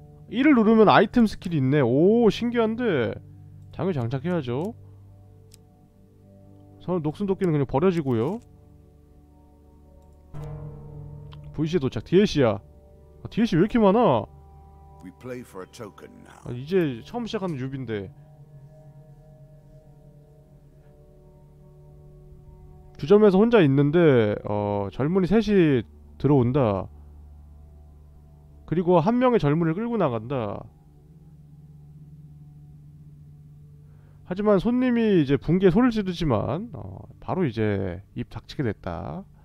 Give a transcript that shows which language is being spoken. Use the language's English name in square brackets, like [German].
[Korean] 1을 누르면 아이템 스킬이 있네. 오 신기한데. 당연히 장착해야죠. 선 녹슨 도끼는 그냥 버려지고요. VC에 도착. DLC야. 아, DLC 왜 이렇게 많아? [English] We play for a token now. [Korean] 아, 이제 처음 시작하는 뉴비인데. 주점에서 혼자 있는데 젊은이 셋이 들어온다. 그리고 한 명의 젊은이를 끌고 나간다. 하지만 손님이 이제 붕괴 소리를 지르지만 바로 이제 입 닥치게 됐다.